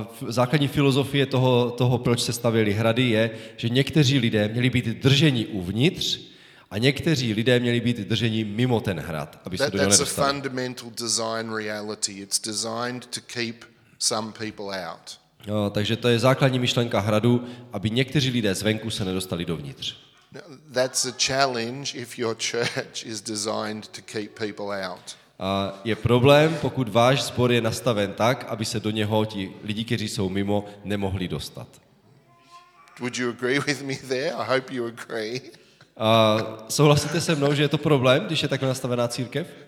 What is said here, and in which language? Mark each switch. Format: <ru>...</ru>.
<cs>Základní filozofie toho proč se stavěly hrady je, že někteří lidé měli být drženi uvnitř a někteří lidé měli být drženi mimo ten hrad, aby se do něj nedostali.</cs> <en>That's a fundamental design reality. It's designed to keep some people out.</en> <cs>No, takže to je základní myšlenka hradu, aby někteří lidé zvenku se nedostali dovnitř.</cs> <en>That's a challenge if your church is designed to keep people out.</en> <cs>Je problém, pokud váš sbor je nastaven tak, aby se do něho ti lidi, kteří jsou mimo, nemohli dostat.</cs> <en>Would you agree with me there? I hope you agree.</en> <cs>Souhlasíte se mnou, že je to problém, když je takhle nastavená církev?</cs>